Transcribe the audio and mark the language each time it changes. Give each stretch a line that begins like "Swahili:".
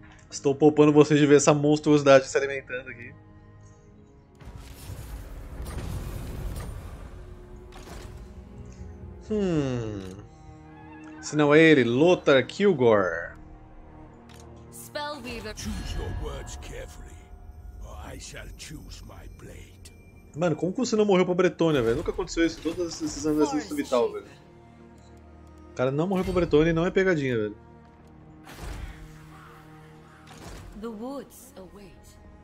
Portuguese: Estou poupando vocês de ver essa monstruosidade se alimentando aqui. Se não é ele, Lothar Kilgore.
English: Spellweaver. Choose your words carefully, or I shall choose my blade.
Portuguese: Mano, como que você não morreu pra Bretônia, velho? Nunca aconteceu isso em todos esses anos assim do Vital, velho. O cara não morreu pra Bretônia e não é pegadinha, velho.
English: The woods await.